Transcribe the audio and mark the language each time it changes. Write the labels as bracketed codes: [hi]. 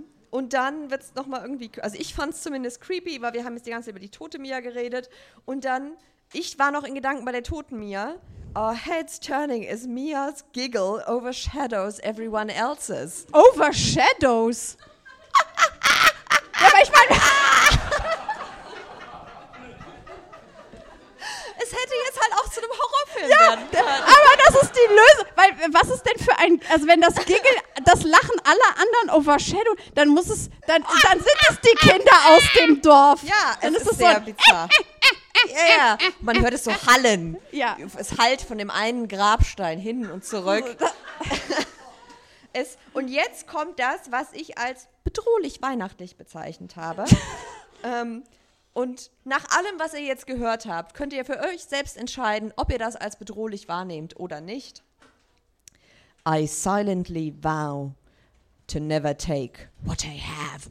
[de] Und dann wird es nochmal irgendwie, also ich fand es zumindest creepy, weil wir haben jetzt die ganze Zeit über die tote Mia geredet. Und dann, ich war noch in Gedanken bei der toten Mia. [en] Our heads turning as Mia's giggle overshadows everyone else's. [de] Overshadows? Ja, aber ich meine... es hätte jetzt halt auch zu einem Horrorfilm ja, werden können. Aber das ist die Lösung. Weil was ist denn für ein... Also wenn das Giggle, das Lachen aller anderen overshadowt, dann muss es... Dann sind es die Kinder aus dem Dorf. Ja, dann es ist sehr so ein, bizarr. Ja, yeah. Man hört es so hallen. Ja. Es hallt von dem einen Grabstein hin und zurück. Und jetzt kommt das, was ich als bedrohlich weihnachtlich bezeichnet habe. und nach allem, was ihr jetzt gehört habt, könnt ihr für euch selbst entscheiden, ob ihr das als bedrohlich wahrnehmt oder nicht. [en] I silently vow to never take what I have.